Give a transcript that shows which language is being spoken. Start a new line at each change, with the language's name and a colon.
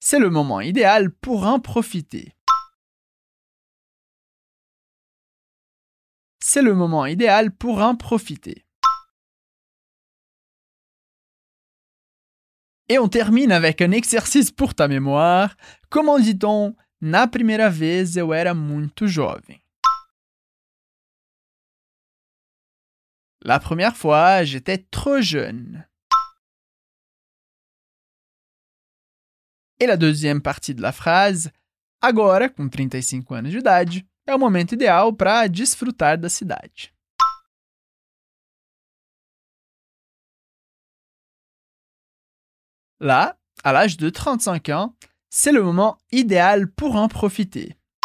French: C'est le moment idéal pour en profiter. C'est le moment idéal pour en profiter. Et on termine avec un exercice pour ta mémoire. Comment dit-on «
Portuguese: na primeira vez eu era muito jovem » ?
French: La première fois, j'étais trop jeune. Et la deuxième partie de la phrase «
Portuguese: Agora, com 35 anos de idade, é o momento ideal para disfrutar da cidade.
French: » Là, à l'âge de 35 ans, c'est le moment idéal pour en profiter.